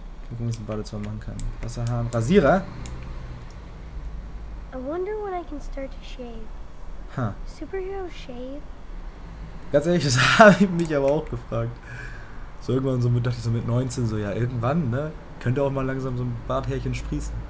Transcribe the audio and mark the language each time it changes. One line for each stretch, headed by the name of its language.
German: Gucken, wie ich es im Badezimmer machen kann. Wasserhahn. Rasierer?
English: I wonder when I can start to shave. Ha. Superhero shave?
German: Ganz ehrlich, das habe ich mich aber auch gefragt. So irgendwann so mit, dachte ich so mit 19, so ja irgendwann, ne? Könnte auch mal langsam so ein Barthärchen sprießen.